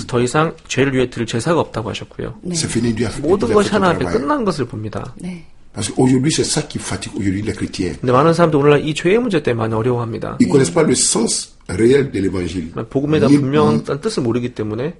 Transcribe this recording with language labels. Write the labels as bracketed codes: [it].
[ko] 더 이상 죄를 위해 드릴 제사가 없다고 하셨고요. 네. [fr] C'est fini, lui a fait, [ko] 모든 것이 하나 앞에 끝난 것을 봅니다. 네. [fr] Parce qu'aujourd'hui, c'est ça qui fatigue aujourd'hui les chrétiens. [ko] 근데 많은 사람도 오늘날 이 죄의 문제 때문에 많이 어려워합니다. [fr] Ils connaissent pas le sens réel de l'évangile. [ko] 복음에 대한 분명한 뜻을 모르기 때문에.